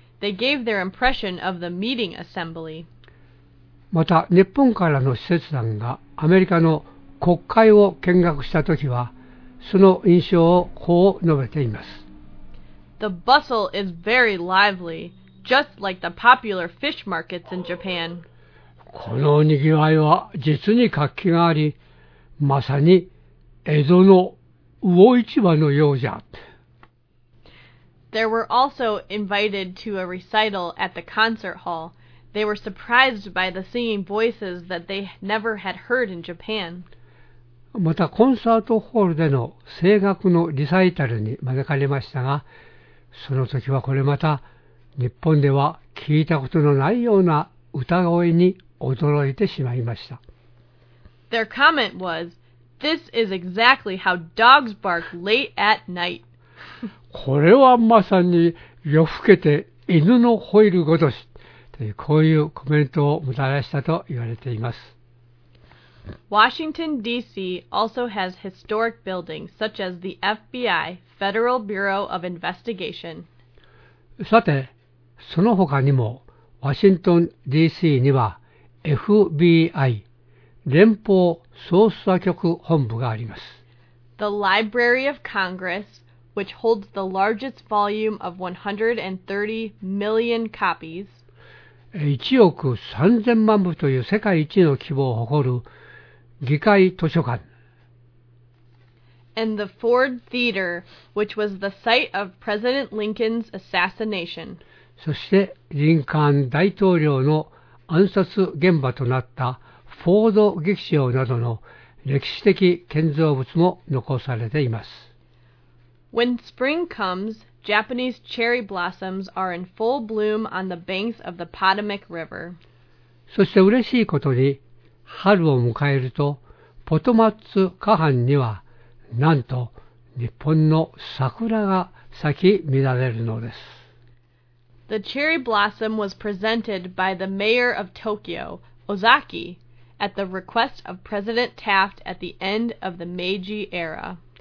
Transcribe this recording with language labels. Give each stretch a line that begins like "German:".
English: They gave their impression of the meeting assembly.
Japanese: また、日本からの使節団がアメリカの国会を見学したときは、その印象をこう述べています。
English: The bustle is very lively, just like the popular fish markets in Japan.
Japanese: このにぎわいは実に活気があり、まさに江戸の魚市場のようじゃ。
English: There were also invited to a recital at the concert hall. They were surprised by the singing voices that they never had heard in Japan.
Japanese: またコンサートホールでの声楽のリサイタルに招かれましたが、その時はこれまた日本では聞いたことのないような歌声に驚いてしまいました。
English: Their comment was,This is exactly how dogs bark late at night.
Japanese: これはまさに夜更けて犬の吠えるごとし、というこういうコメントをもたらしたと言われています。
English: Washington, D.C. also has historic buildings such as the FBI, Federal Bureau of Investigation.
Japanese: さて、その他にも、ワシントン D.C. には FBI、連邦捜査局本部があります。
English: The Library of Congress, which holds the largest volume of 130 million copies.
Japanese: 1億3000万部という世界一の規模を誇る議会図書館。
English: And the Ford Theater, which was the site of President Lincoln's assassination.
Japanese: そして、リンカーン大統領の暗殺現場となったフォード劇場などの歴史的建造物も残されています。
English: When spring comes, Japanese cherry blossoms are in full bloom on the banks of the Potomac River.
Japanese: そして嬉しいことに、春を迎えると、ポトマッツ河畔には、なんと日本の桜が咲き乱れるのです。
English: The cherry blossom was presented by the mayor of Tokyo, Ozaki, at the request of President Taft at the end of the Meiji era.